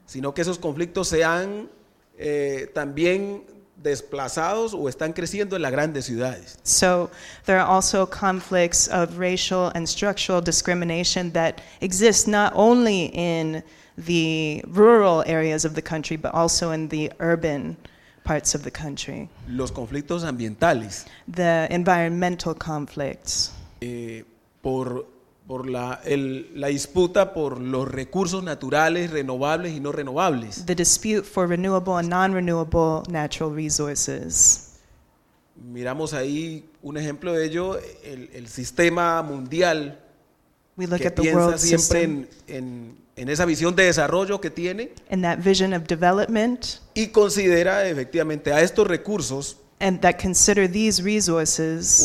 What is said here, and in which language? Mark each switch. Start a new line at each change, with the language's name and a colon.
Spanish: sino que esos conflictos se han también desplazados o están creciendo en las grandes ciudades.
English: So there are also conflicts of racial and structural discrimination that exist not only in the rural areas of the country but also in the urban parts of the country.
Spanish: Los conflictos ambientales.
English: The environmental conflicts.
Spanish: La disputa por los recursos naturales renovables y no renovables.
English: The dispute for renewable and non-renewable natural resources.
Spanish: Miramos ahí un ejemplo de ello, el sistema mundial.
English: We look
Spanish: que
English: at the
Spanish: piensa
English: world
Spanish: siempre
English: system,
Spanish: en esa visión de desarrollo que tiene.
English: In that vision of development.
Spanish: Y considera efectivamente a estos recursos.
English: And that consider these resources.